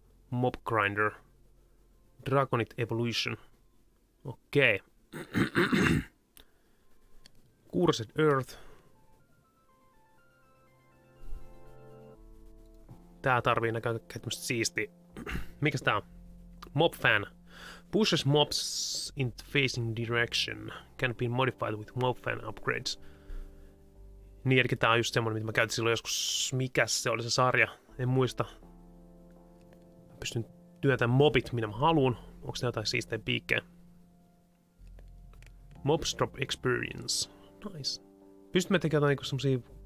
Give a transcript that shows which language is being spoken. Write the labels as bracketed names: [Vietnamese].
[English] Mob grinder. Dragonit Evolution. Okei. Okay. Cursed Earth. [Finnish] Tää tarvii näkökulmasta tämmöstä siistiä. Mikäs tää on? Mob fan. [English] Pushes mobs in the facing direction. Can be modified with mob fan upgrades. [Finnish] Niin, eli tää on just semmonen, mitä mä käytin silloin joskus. Mikäs se oli se sarja? En muista. Mä pystyn työntämään mobit, mitä mä haluun. Onks ne jotain siistejä piikkejä? [English] Mobs drop experience. Nice. [Finnish] Pystyn mä tekemään jotain semmosia...